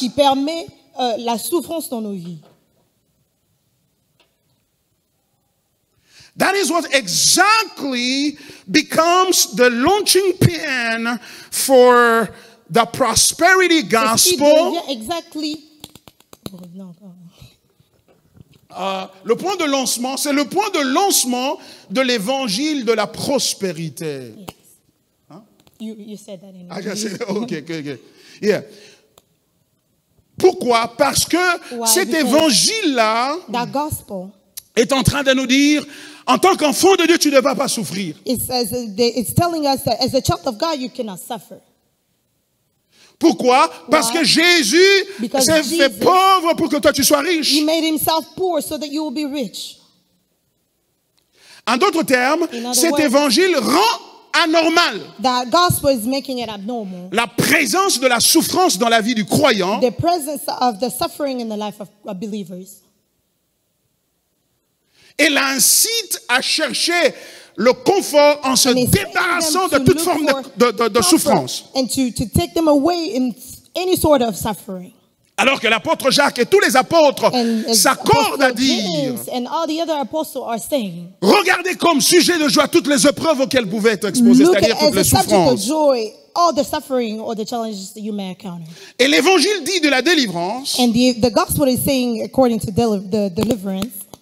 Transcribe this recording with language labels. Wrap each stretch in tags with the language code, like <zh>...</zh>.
<fr>Qui permet la souffrance dans nos vies.</fr> <en>That is what exactly becomes the launching pin for the prosperity gospel. Exactly.</en> <fr>Le point de lancement, c'est le point de lancement de l'évangile de la prospérité.</fr> <en>Yes. Huh? You said that in English. Okay. Yeah.</en> <fr>Pourquoi? Parce que cet évangile-là est en train de nous dire. En tant qu'enfant de Dieu, tu ne vas pas souffrir.</fr> <en>It's telling us that as a child of God, you cannot suffer.</en> <fr>Pourquoi? Parce que Jésus s'est fait pauvre pour que toi tu sois riche.</fr> <en>He made himself poor so that you will be rich.</en> <fr>En d'autres termes, cet évangile rend anormal.</fr> <en>That gospel is making it abnormal.</en> <fr>La présence de la souffrance dans la vie du croyant.</fr> <en>The presence of the suffering in the life of believers.</en> <fr>Et l'incite à chercher le confort en se débarrassant de toute forme de souffrance.</fr> <en>And to take them away in any sort of suffering.</en> <fr>Alors que l'apôtre Jacques et tous les apôtres s'accordent à dire,</fr> <en>and all the other apostles are saying,</en> <fr>regardez comme sujet de joie toutes les épreuves auxquelles pouvaient être exposées, c'est-à-dire toutes les souffrances.</fr> <en>All the suffering or the challenges that you may encounter.</en> <fr>Et l'évangile dit de la délivrance,</fr> <en>and the gospel is saying according to the deliverance,</en>